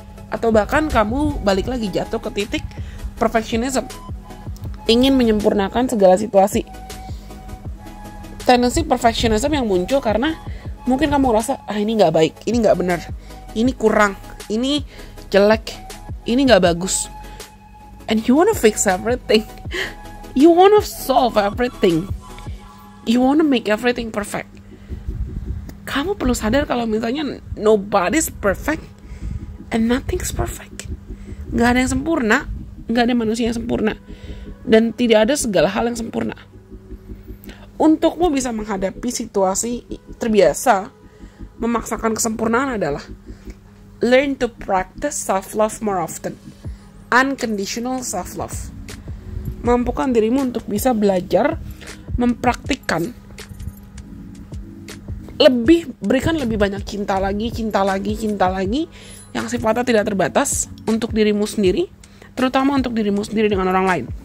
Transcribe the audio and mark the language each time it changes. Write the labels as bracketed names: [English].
[Indonesian] Atau bahkan kamu balik lagi jatuh ke titik perfectionism, ingin menyempurnakan segala situasi. Tendensi perfectionism yang muncul karena mungkin kamu merasa, ah ini gak baik, ini gak benar, ini kurang, ini jelek, ini gak bagus. [English] And you wanna fix everything. You wanna solve everything. You wanna make everything perfect. [Indonesian] Kamu perlu sadar kalau misalnya [English] nobody's perfect and nothing's perfect. [Indonesian] Gak ada yang sempurna, gak ada manusia yang sempurna, dan tidak ada segala hal yang sempurna. Untukmu bisa menghadapi situasi terbiasa memaksakan kesempurnaan adalah [English] learn to practice self-love more often. Unconditional self-love. [Indonesian] Mampukan dirimu untuk bisa belajar mempraktikkan lebih, berikan lebih banyak cinta lagi, cinta lagi, cinta lagi yang sifatnya tidak terbatas untuk dirimu sendiri, terutama untuk dirimu sendiri dengan orang lain.